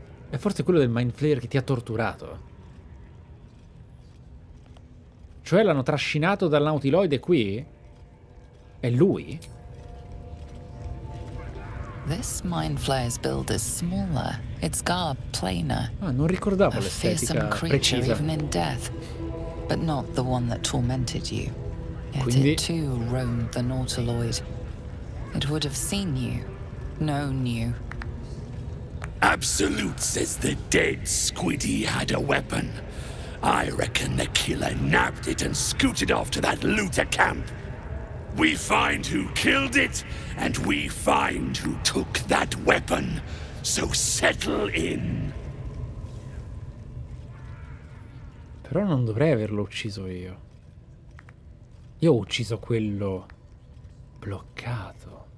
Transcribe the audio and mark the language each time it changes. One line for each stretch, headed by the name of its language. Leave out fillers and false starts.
Italian: È forse quello del Mind Flayer che ti ha torturato. Cioè l'hanno trascinato dal Nautiloide qui? È lui?
English: This Mind Flayer's build is smaller. Its garb plainer.
Italian: Ah, non ricordavo l'estetica precisa.
English: Even in death, but not the one that tormented you. Yet it too roamed the Nautiloid. It would have seen you. Known you. Absolute says the dead squiddy had a weapon. I reckon the killer nabbed it and scooted off to that looter camp. We find who killed it, and we find who took that weapon. So settle in.
Italian: Però non dovrei averlo ucciso io. Io ho ucciso quello bloccato.